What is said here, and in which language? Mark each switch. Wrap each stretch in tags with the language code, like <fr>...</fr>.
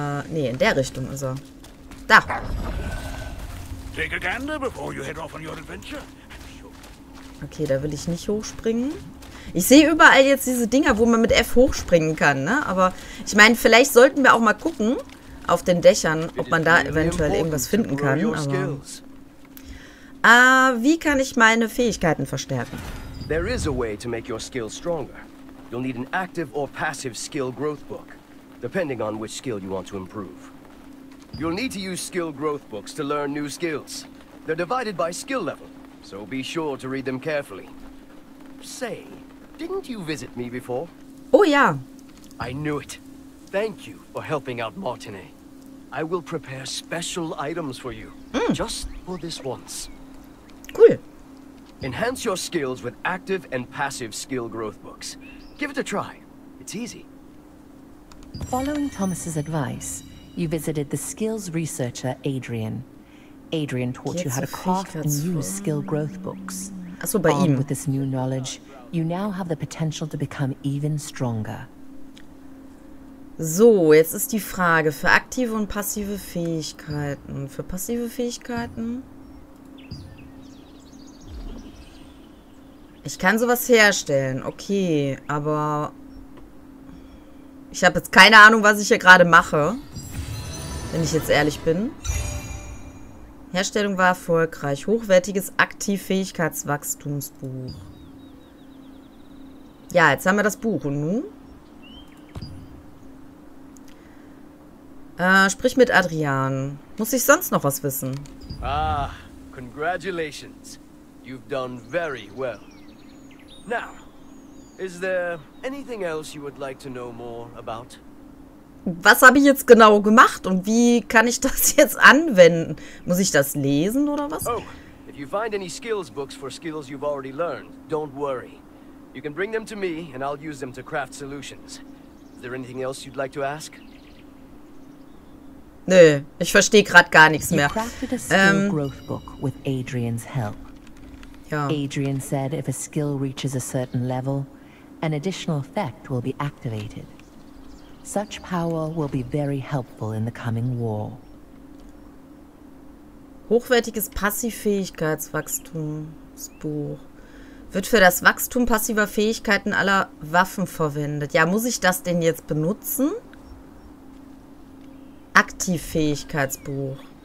<de>nee, in der Richtung ist er. Da. Okay, da will ich nicht hochspringen. Ich sehe überall jetzt diese Dinger, wo man mit F hochspringen kann, ne? Aber ich meine, vielleicht sollten wir auch mal gucken auf den Dächern, ob man da eventuell irgendwas finden kann. Aber wie kann ich meine Fähigkeiten verstärken?</de> <en>There is a way to make your skills stronger. You'll need an active or passive skill growth book, depending on which skill you want to improve. You'll need to use skill growth books to learn new skills. They're divided by skill level, so be sure to read them carefully. Say, didn't you visit me before?</en> <de>Oh ja.</de> <en>I knew it. Thank you for helping out Martinet. I will prepare special items for you. Mm. Just for this once. Cool. Enhance your skills with active and passive skill growth books. Give it a try. It's easy. Following Thomas's advice, you visited the skills researcher Adrian. Adrian taught you how to craft and use skill growth books.</en> <de>Also bei ihm.</de> <en>With this new knowledge, you now have the potential to become even stronger.</en> <de>So, jetzt ist die Frage für aktive und passive Fähigkeiten. Für passive Fähigkeiten? Ich kann sowas herstellen, okay, aber ich habe jetzt keine Ahnung, was ich hier gerade mache, wenn ich jetzt ehrlich bin. Herstellung war erfolgreich. Hochwertiges Aktivfähigkeitswachstumsbuch. Ja, jetzt haben wir das Buch. Und nun? Sprich mit Adrian. Muss ich sonst noch was wissen?</de> <en>Ah, congratulations. You've done very well. Now, is there anything else you would like to know more about?</en> <de>Was habe ich jetzt genau gemacht und wie kann ich das jetzt anwenden? Muss ich das lesen oder was?</de> <en>Oh, if you find any skills books for skills you've already learned, don't worry. You can bring them to me and I'll use them to craft solutions. Is there anything else you'd like to ask?</en> <de>Nö, ich verstehe gerade gar nichts mehr.</de> <en>You crafted a skill growth book with Adrian's help.</en> <de>Ja.</de> <en>Adrian said if a skill reaches a certain level, an additional effect will be activated. Such power will be very helpful in the coming war.</en> <de>Hochwertiges Passivfähigkeitswachstumsbuch. Wird für das Wachstum passiver Fähigkeiten aller Waffen verwendet. Ja, muss ich das denn jetzt benutzen? Aktivfähigkeitsbuch.</de>